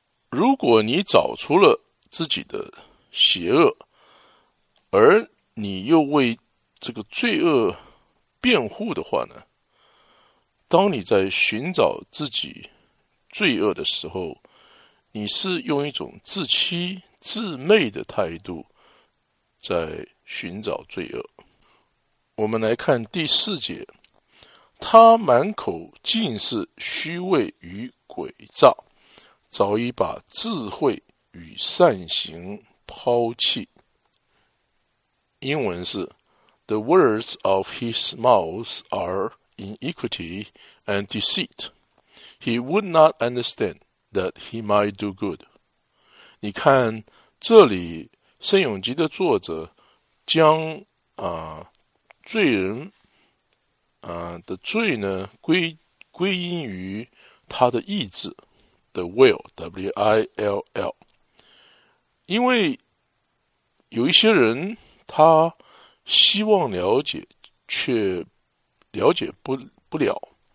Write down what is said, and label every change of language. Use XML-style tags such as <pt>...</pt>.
<zh>如果你找出了自己的邪恶，而你又为这个罪恶辩护的话呢，当你在寻找自己罪恶的时候，你是用一种自欺自媚的态度在寻找罪恶。我们来看第四节，他满口尽是虚伪与诡诈，早已把智慧与善行抛弃。英文是</zh> <en>The words of his mouth are iniquity and deceit. He would not understand that he might do good.</en> <zh>你看这里圣咏集的作者将罪人的罪呢归因于他的意志</zh> <en>the will W-I-L-L，</en> <zh>因为有一些人他希望了解却了解不了，</zh>